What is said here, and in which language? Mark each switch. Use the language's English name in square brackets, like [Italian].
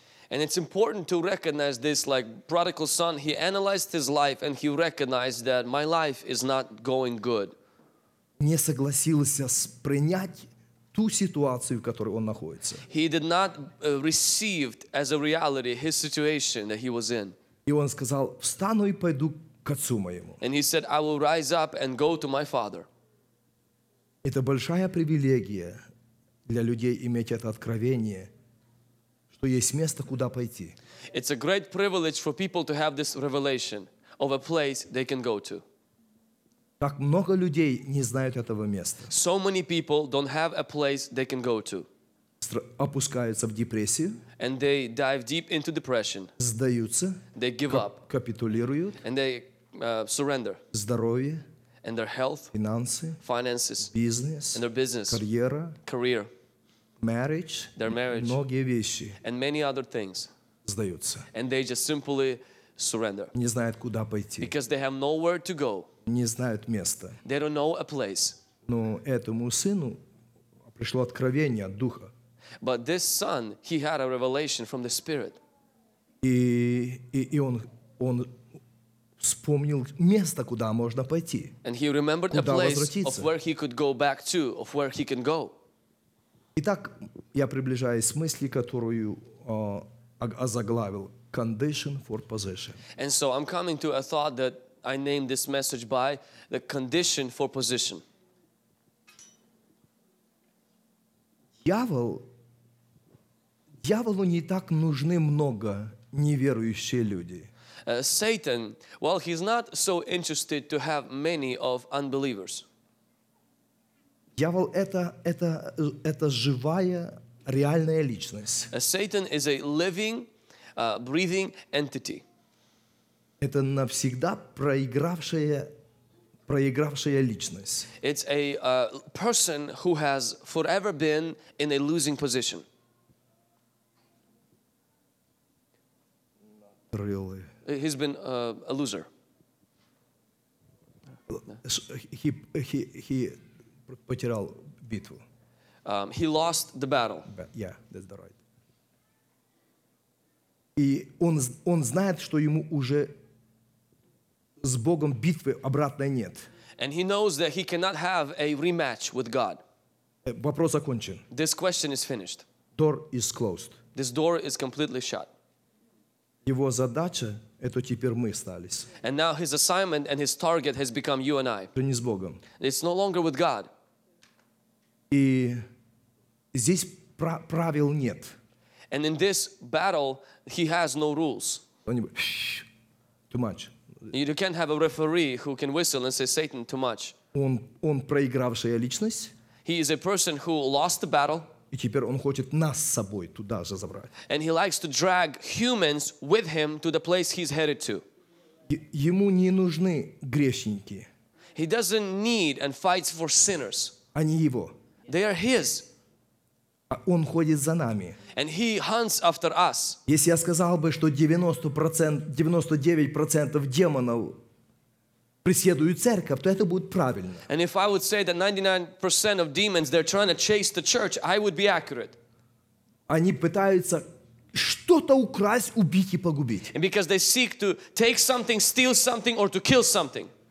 [English] And it's important to recognize this, like prodigal son, he analyzed his life and he recognized that my life is not going good. [Russian] Не согласился принять ту ситуацию, в которой он находится. [English] He did not receive as a reality his situation that he was in. [Russian] И он сказал: «Встану и пойду к отцу моему». [English] And he said, I will rise up and go to my father. [Russian] Это большая привилегия для людей иметь это откровение, что есть место, куда пойти. [English] It's a great privilege for people to have this revelation of a place they can go to. [Russian] Так много людей не знают этого места. [English] So many people don't have a place they can go to. [Russian] Опускаются в депрессию. [English] And they dive deep into depression. [Russian] Сдаются. [English] They give up. [Russian] Капитулируют. [English] And they surrender. [Russian] Здоровье. [English] And their health. [Russian] Финансы. [English] Finances. [Russian] Бизнес. [English] And their business. [Russian] Карьера. [English] Career. Marriage. Their marriage. [Russian] Многие вещи. [English] And many other things. [Russian] Сдаются. [English] And they just simply surrender. [Russian] Не знают, куда пойти. [English] Because they have nowhere to go. [Russian] Не знают места. [English] They don't know a place. [Russian] Но этому сыну пришло откровение от Духа. [English] But this son, he had a revelation from the Spirit. [Russian] И он вспомнил место, куда можно пойти. [English] And he remembered a place of where he could go back to, of where he can go. [Russian] Итак, я приближаюсь к мысли, которую озаглавил [English] condition for position. And so I'm coming to a thought that I named this message by the condition for position. [Russian] Дьяволу не так нужны много неверующие люди. [English] Satan, well, he's not so interested to have many of unbelievers. [Russian] Дьявол это живая реальная личность. [English] Satan is a living, breathing entity. [Russian] Это навсегда проигравшая личность. [English] It's a person who has forever been in a losing position. Really. He's been a loser. He [Russian] потерял битву. [English] He lost the battle. Yeah, that's the right. [Russian] И он знает, что ему уже с Богом битвы обратной нет. [English] And he knows that he cannot have a rematch with God. [Russian] Вопрос окончен. [English] This question is finished. Door is closed. This door is completely shut. [Russian] Его задача — это теперь мы остались. [English] And now his assignment and his target has become you and I. [Russian] Это не с Богом. [English] It's no longer with God. [Russian] И здесь правил нет. [English] And in this battle, he has no rules. Too much. You can't have a referee who can whistle and say, Satan, too much. [Russian] Он проигравшая личность. [English] He is a person who lost the battle. [Russian] И теперь он хочет нас с собой туда же забрать. [English] And he likes to drag humans with him to the place he's headed to. [Russian] Ему не нужны грешники. [English] He doesn't need and fights for sinners. [Russian] Они его. [English] They are his. [Russian] Он ходит за нами. [English] And he hunts after us. [Russian] Если я сказал бы, что 99% демонов преследуют церковь, то это будет правильно. [English] And if I would say that 99% of demons, they're trying to chase the church, I would be accurate. [Russian] Они пытаются что-то украсть, убить и погубить. [English] And because they seek to take something, steal something, or to kill something.